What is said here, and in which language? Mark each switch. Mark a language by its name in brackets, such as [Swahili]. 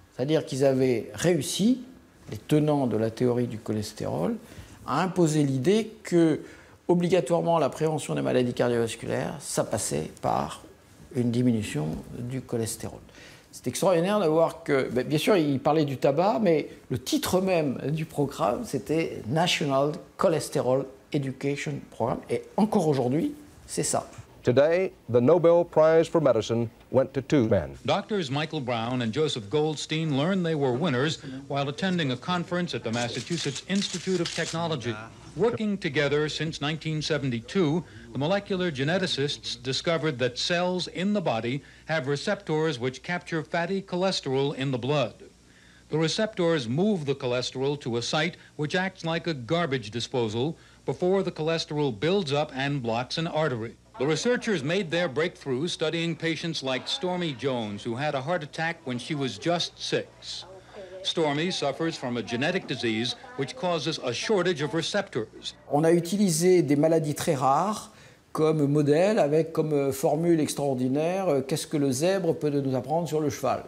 [French] C'est-à-dire qu'ils avaient réussi, les tenants de la théorie du cholestérol, a imposé l'idée que, obligatoirement, la prévention des maladies cardiovasculaires, ça passait par une diminution du cholestérol. C'est extraordinaire de voir que, bien sûr, il parlait du tabac, mais le titre même du programme, c'était National Cholesterol Education Program, et encore aujourd'hui, c'est ça. [English] Today, the Nobel Prize for Medicine went to two men. Doctors Michael Brown and Joseph Goldstein learned they were winners while attending a conference at the Massachusetts Institute of Technology. Working together since 1972, the molecular geneticists discovered that cells in the body have receptors which capture fatty cholesterol in the blood. The receptors move the cholesterol to a site which acts like a garbage disposal before the cholesterol builds up and blocks an artery. The researchers made their breakthrough studying patients like Stormy Jones, who had a heart attack when she was just six. Stormy suffers from a genetic disease which causes a shortage of receptors. [French] On a utilisé des maladies très rares comme modèle, avec comme formule extraordinaire, qu'est-ce que le zèbre peut nous apprendre sur le cheval?